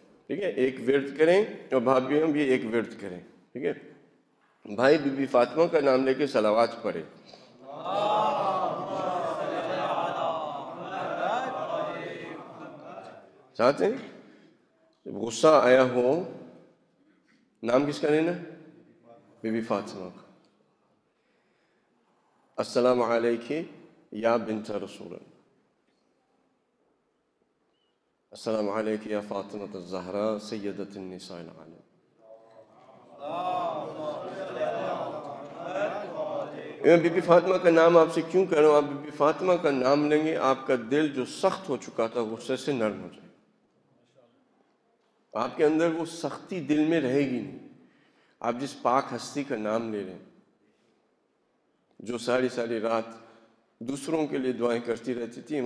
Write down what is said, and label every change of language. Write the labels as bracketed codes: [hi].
[ur] ٹھیک ہے, ایک ورد کریں, اور بھابھیوں بھی ایک ورد کریں. ٹھیک ہے, بھائی بی بی فاطمہ کا نام لے کے صلوات پڑھیں, ساتھ ہیں. جب غصہ آیا ہو, نام کس کا لینا ہے, بی بی فاطمہ کا, [ar] السلام علیکی یا بنت رسول اللہ. السلام عليك يا فاطمة الزهراء سيدة النساء العالم. [ur] میں بی بی فاطمہ کا نام آپ سے کیوں کہہ رہا ہوں؟ آپ بی بی فاطمہ کا نام لیں گے آپ کا دل جو سخت ہو چکا تھا غصے سے نرم ہو جائے گا. آپ کے اندر وہ سختی دل میں رہے گی نہیں. آپ جس پاک ہستی کا نام لے رہے ہیں جو ساری ساری رات دوسروں کے لیے دعائیں کرتی رہتی تھی.